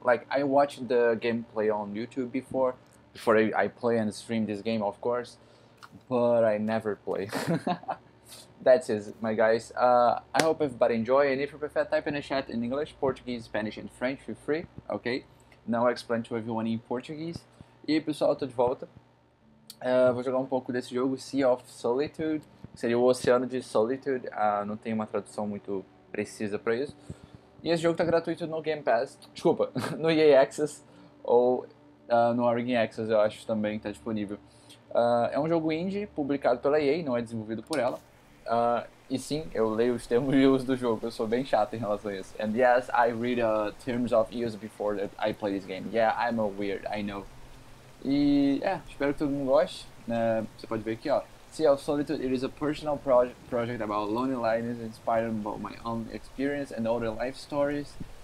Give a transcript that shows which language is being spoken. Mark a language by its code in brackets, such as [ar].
[en] Like, I watched the gameplay on YouTube before I play and stream this game, of course, but I never play. That's it, my guys. I hope everybody enjoy, and if you prefer, type in the chat in English, Portuguese, Spanish, and French, feel free, okay? Now I explain to everyone in Portuguese. [pt] E aí, pessoal, tô de volta. Vou jogar um pouco desse jogo, Sea of Solitude. Seria o Oceano de Solitude. Não tem uma tradução muito precisa pra isso. E esse jogo tá gratuito no Game Pass, desculpa, no EA Access ou no Origin Access, eu acho também tá disponível. É um jogo indie, publicado pela EA, não é desenvolvido por ela. E sim, eu leio os termos de uso do jogo, eu sou bem chato em relação a isso. [en] And yes, I read terms of use before that I play this game. Yeah, I'm a weird, I know. [pt] E é, espero que todo mundo goste, né? Você pode ver aqui, ó. [en] Sea of Solitude, it is a personal project about loneliness inspired by my own experience and other life stories.